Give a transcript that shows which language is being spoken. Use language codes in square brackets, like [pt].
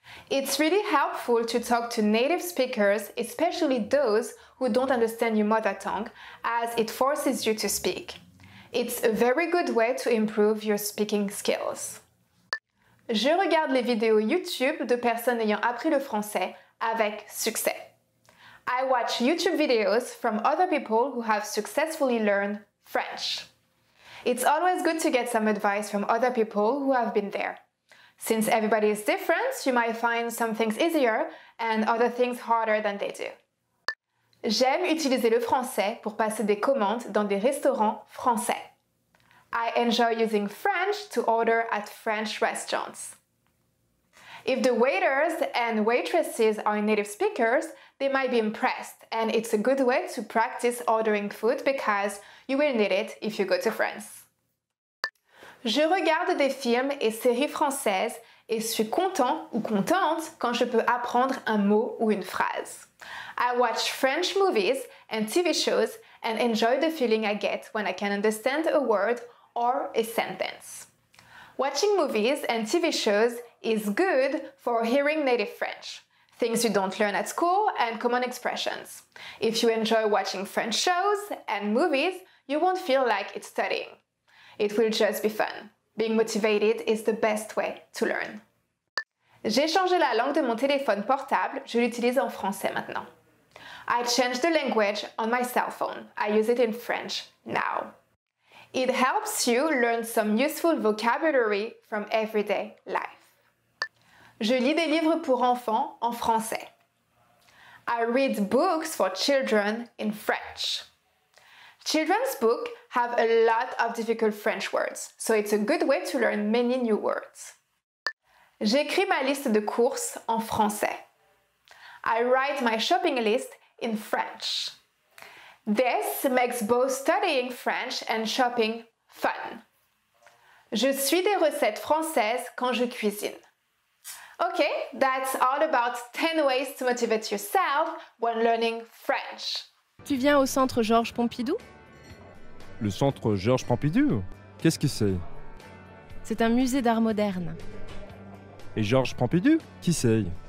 [en] It's really helpful to talk to native speakers, especially those who don't understand your mother tongue, as it forces you to speak. It's a very good way to improve your speaking skills. [fr] Je regarde les vidéos YouTube de personnes ayant appris le français avec succès. [en] I watch YouTube videos from other people who have successfully learned French. It's always good to get some advice from other people who have been there. Since everybody is different, you might find some things easier and other things harder than they do. [fr] J'aime utiliser le français pour passer des commandes dans des restaurants français. [en] I enjoy using French to order at French restaurants. If the waiters and waitresses are native speakers, they might be impressed, and it's a good way to practice ordering food because you will need it if you go to France. [fr] Je regarde des films et séries françaises et suis content ou contente quand je peux apprendre un mot ou une phrase. [en] I watch French movies and TV shows and enjoy the feeling I get when I can understand a word or a sentence. Watching movies and TV shows is good for hearing native French, things you don't learn at school, and common expressions. If you enjoy watching French shows and movies, you won't feel like it's studying. It will just be fun. Being motivated is the best way to learn. [fr] J'ai changé la langue de mon téléphone portable, je l'utilise en français maintenant. [en] I changed the language on my cell phone. I use it in French now. It helps you learn some useful vocabulary from everyday life. [fr] Je lis des livres pour enfants en français. [en] I read books for children in French. Children's books have a lot of difficult French words, so it's a good way to learn many new words. [fr] J'écris ma liste de courses en français. [en] I write my shopping list in French. This makes both studying French and shopping fun. [fr] Je suis des recettes françaises quand je cuisine. [en] Okay, that's all about 10 ways to motivate yourself when learning French. [fr] Tu viens au centre Georges Pompidou? Le centre Georges Pompidou? Qu'est-ce que c'est? C'est un musée d'art moderne. Et Georges Pompidou, qui c'est?